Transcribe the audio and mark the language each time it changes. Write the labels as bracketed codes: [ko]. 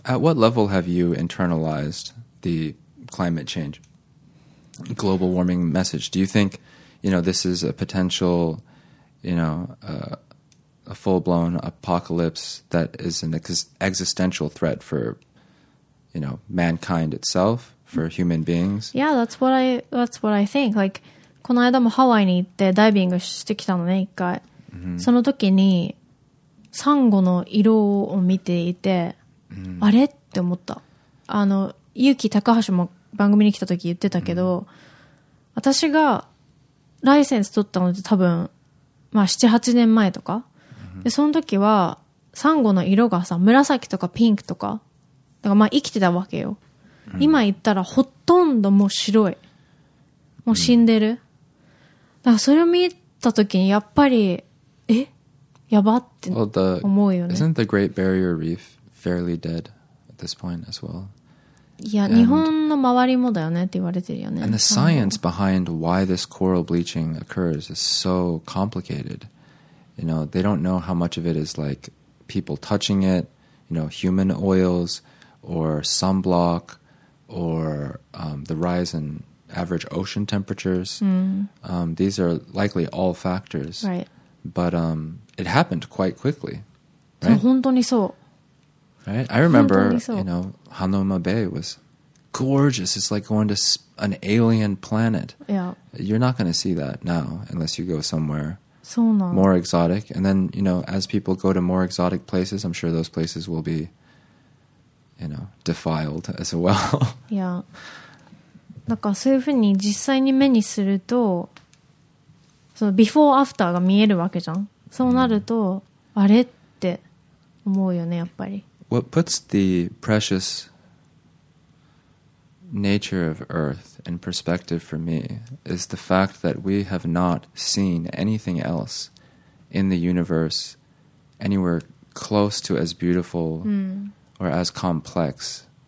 [en] well, At what level have you internalized the climate change global warming message? Do you think you know, this is a potential you know, a full-blown apocalypse that is an existential threat foryou know, mankind itself, for human beings. Yeah, that's what I think. [ja] Like, この間もハワイに行ってダイビングしてきたのね、一回。 Mm-hmm. その時に、サンゴの色を見ていて、mm-hmm. あれって思った。ゆうき高橋も番組に来た時言ってたけど、mm-hmm. 私がライセンス取ったのって多分、まあ7、8年前とか。 Mm-hmm. で、その時は、サンゴの色がさ、紫とかピンクとか、だからまあ生きてたわけよ、うん、今言ったらほとんどもう白いもう死んでる、うん、だからそれを見た時にやっぱりえやばって思うよね [en] well, the, Isn't the Great Barrier Reef fairly dead at this point as well? [ja] Yeah, 日本の周りもだよねって言われてるよね。 [en] And the science behind why this coral bleaching occurs is so complicated. You know, they don't know how much of it is like people touching it, you know, human oils or sunblock or、the rise in average ocean temperatures.、These are likely all factors. Right. But、it happened quite quickly. [ja] Right? 本当にそう。 [en] Right? I remember, you know, Hanuma Bay was gorgeous. It's like going to an alien planet. Yeah. You're not going to see that now unless you go somewhere [ja] そうなの。 [en] more exotic. And then, you know, as people go to more exotic places, I'm sure those places will be, you know, defiled as well. yeah. [ja] なんかそういうふうに実際に目にすると、そのビフォーアフターが見えるわけじゃん。そうなると、あれって思うよね、やっぱり。 [en] What puts the precious nature of Earth in perspective for me is the fact that we have not seen anything else in the universe anywhere close to as beautiful or as complex.